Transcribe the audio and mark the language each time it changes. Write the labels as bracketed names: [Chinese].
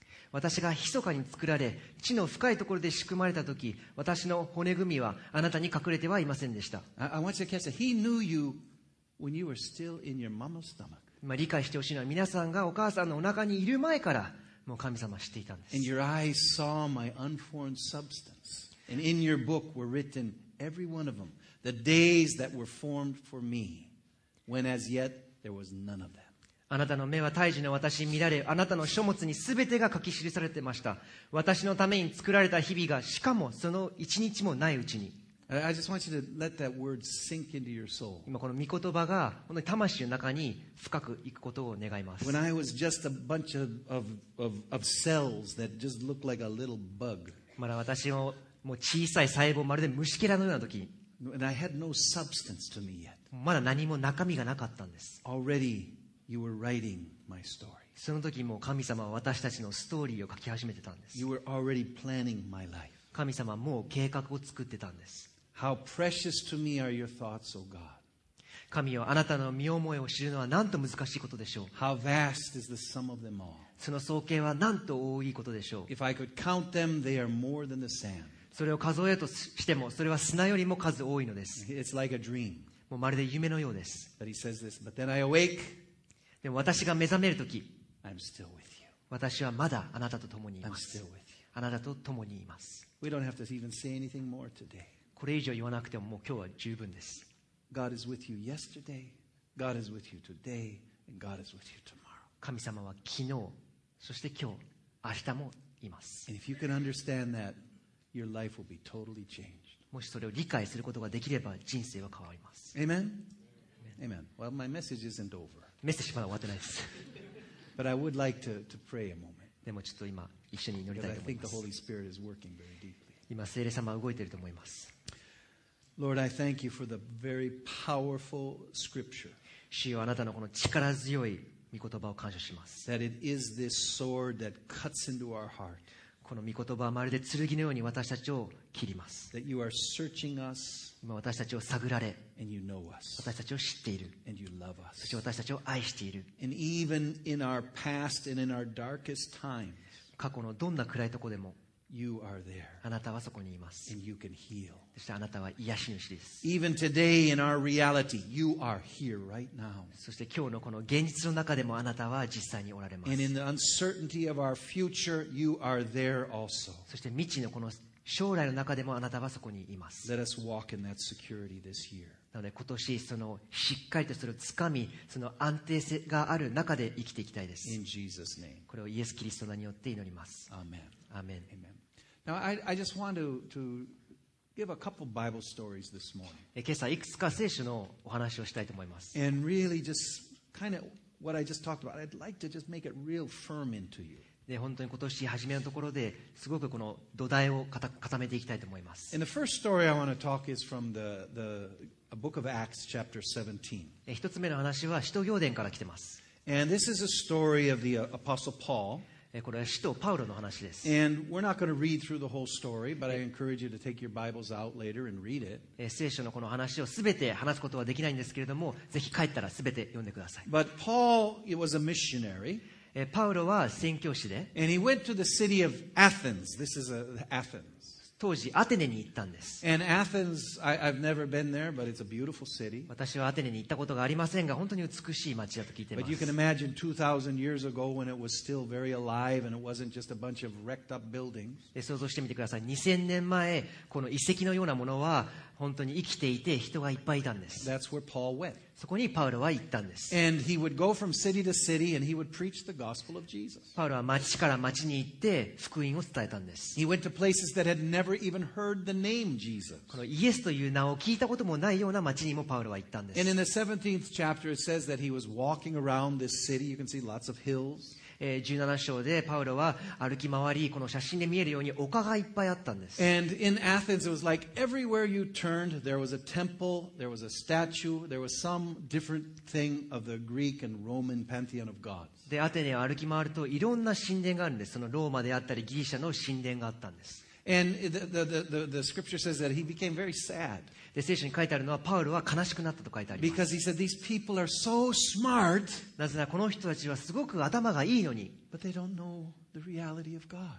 [Japanese] 私が密かに作られ、地の深いところで仕組まれたとき、私の骨組みはあなたに隠れてはいませんでした。 [English] I want you to catch that. He knew you when you were still in your mama's stomach. [Japanese] まあ、理解してほしいのは皆さんがお母さんのお腹にいる前からもう神様は知っていたんです。 [English] And your eyes saw my unformed substance. And in your book were written every one of them, the days that were formed for me, when as yet there was none of them. [Japanese] あなたの目は胎児の私に見られ、あなたの書物にすべてが書き記されていました。私のために作られた日々が、しかもその一日もないうちに。 [English] I just want you to let that word sink into your soul. [Japanese] 今この御言葉が本当に魂の中に深く行くことを願います。 [English] When I was just a bunch of cells that just looked like a little bug. [Japanese] まだ私ももう小さい細胞まるで虫けらのような時。 [English] And I had no substance to me yet. [Japanese] まだ何も中身がなかったんです。 [English] Already you were writing my story. [Japanese] その時もう神様は私たちのストーリーを書き始めてたんです。 [English] You were already planning my life. [Japanese] 神様はもう計画を作ってたんです。 [English] How precious to me are your thoughts, O God. [Japanese] 神よ、あなたの身思いを知るのはなんと難しいことでしょう。 [English] How vast is the sum of them all. [Japanese] その総計はなんと多いことでしょう。 [English] If I could count them, they are more than the sand. [Japanese] それを数えとしても、それは砂よりも数多いのです。 [English] It's like a dream. [Japanese] もうまるで夢のようです。 [English] But he says this, but then I awake. [Japanese] でも私が目覚めるとき、 [English] I'm still with you. [Japanese] 私はまだあなたと共にいます。 [English] I'm still with you. [Japanese] あなたと共にいます。 [English] We don't have to even say anything more today. [Japanese] これ以上言わなくてももう今日は十分です。 [English] God is with you yesterday. God is with you today. And God is with you tomorrow. [Japanese] 神様は昨日、そして今日、明日もいます。 [English] And if you can understand that, your life will be totally changed. [Japanese] もしそれを理解することができれば人生は変わります。 [English] Amen? Amen. Well, my message isn't over. [Japanese] メッセージまだ終わってないです。 [English] But I would like to pray a moment. [Japanese] でもちょっと今、一緒に祈りたいと思います。今、聖霊様は動いていると思います。 [English] Lord, I thank you for the very powerful scripture. [Japanese] 主よ、あなたのこの力強い御言葉を感謝します。 [English] That it is this sword that cuts into our heart. [Japanese] この御言葉はまるで剣のように私たちを切ります。 [English] That you are searching us. [Japanese] 今、私たちを探られ。 [English] And you know us. [Japanese] 私たちを知っている。 [English] And you love us. [Japanese] そして私たちを愛している。 [English] And even in our past and in our darkest time. [Japanese] 過去のどんな暗いところでも [English] you are there. [Japanese] あなたはそこにいます。 [English] And you can heal. [Japanese] そしてあなたは癒し主です。 [English] Even today in our reality, you are here right now. [Japanese] そして今日のこの現実の中でもあなたは実際におられます。 [English] And in the uncertainty of our future, you are there also. [Japanese] そして未知のこの将来の中でもあなたはそこにいます。 [English] Let us walk in that security this year. [Japanese] なので今年そのしっかりとそれをつかみその安定性がある中で生きていきたいです。 [English] In Jesus name. [Japanese] これをイエス・キリストの名によって祈ります。 [English] Amen. Amen. Amen. Now I just want to give a couple Bible stories this morning. [Japanese] 今朝いくつか聖書のお話をしたいと思います。 [English] And really just kind of what I just talked about, I'd like to just make it real firm into you. [Japanese] で本当に今年初めのところですごくこの土台を固めていきたいと思います。 [English] And the first story I want to talk is from the book of Acts chapter 17. [Japanese] 一つ目の話は使徒行伝から来てます。 [English] And this is a story of the apostle Paul. [Japanese] これは使徒パウロの話です。 [English] And we're not going to read through the whole story, but I encourage you to take your Bibles out later and read it. [Japanese] 聖書のこの話をすべて話すことはできないんですけれども、ぜひ帰ったらすべて読んでください。 [English] But Paul, he was a missionary. [Japanese] パウロは宣教師で、 [English] and he went to the city of Athens. This is Athens. [Japanese] 当時アテネに行ったんです。 [English] And Athens, I've never been there, but it's a beautiful city. [Japanese] 私はアテネに行ったことがありませんが、本当に美しい街だと聞いています。 [English] But you can imagine 2,000 years ago when it was still very alive and it wasn't just a bunch of wrecked up buildings. [Japanese] 想像してみてください。2000年前、この遺跡のようなものは本当に生きていて人がいっぱいいたんです。 [English] That's where Paul went. [Japanese] そこにパウロは行ったんです。 [English] And he would go from city to city and he would preach the gospel of Jesus. [Japanese] パウロは町から町に行って福音を伝えたんです。 [English] He went to places that had never even heard the name Jesus. [Japanese] このイエスという名を聞いたこともないような町にもパウロは行ったんです。 [English] And in the 17th chapter it says that he was walking around this city. You can see lots of hills. [Japanese] 17章でパウロは歩き回り、この写真で見えるように丘がいっぱいあったんです。 [English] And in Athens, it was like everywhere you turned, there was a temple, there was a statue, there was some different thing of the Greek and Roman pantheon of gods. [Japanese] で、アテネを歩き回ると、いろんな神殿があるんです。そのローマであったり、ギリシャの神殿があったんです。 [English] And the scripture says that he became very sad. [Japanese] で、聖書に書いてあるのは、パウロは悲しくなったと書いてあります。 [English] Because he said these people are so smart. [Japanese] なぜなら、この人たちはすごく頭がいいのに。 [English] But they don't know the reality of God.